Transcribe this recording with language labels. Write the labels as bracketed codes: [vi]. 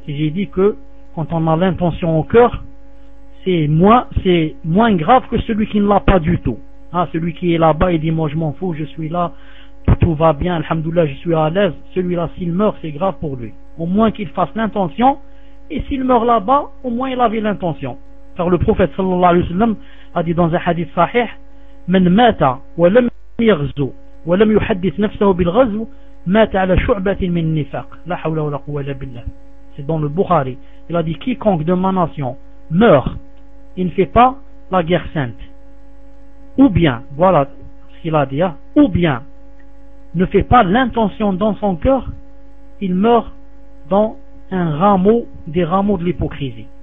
[fr] Et j'ai dit que, quand on a l'intention au cœur, c'est moins grave que celui qui ne l'a pas du tout. Hein, celui qui est là-bas, il dit, moi, je m'en fous, je suis là, tout va bien, alhamdoulilah, je suis à l'aise. Celui-là, s'il meurt, c'est grave pour lui. Au moins qu'il fasse l'intention, et s'il meurt là-bas, au moins il avait l'intention. Car le prophète sallallahu alayhi wa sallam a dit dans un hadith sahih, [ar] من مات ولم يغزو ولم يحدث نفسه بالغزو مات على شعبة من النفاق لا حول ولا قوة إلا بالله. [fr] C'est dans le Bukhari. Il a dit, quiconque de ma nation meurt, il ne fait pas la guerre sainte. Ou bien, voilà ce qu'il a dit, ou bien ne fait pas l'intention dans son cœur, il meurt dans un rameau, des rameaux de l'hypocrisie.